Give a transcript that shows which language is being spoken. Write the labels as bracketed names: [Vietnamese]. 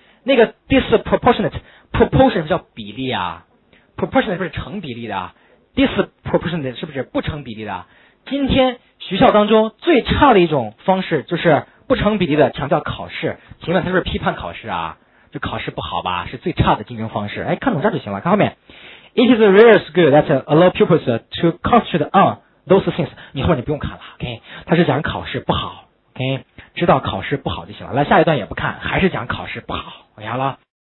[Chinese] 那个 disproportionate proportion 叫比例啊 ，proportionate 不是成比例的 ，disproportionate 是不是不成比例的？今天学校当中最差的一种方式就是不成比例的强调考试，请问他是不是批判考试啊？就考试不好吧，是最差的竞争方式。哎，看懂这就行了，看后面。 [English] It is a rare skill that allow pupils to concentrate on those things。 [Chinese] 你后面就不用看了 ，OK？ 他是讲考试不好 ，OK？ 知道考试不好就行了。来，下一段也不看，还是讲考试不好，好了。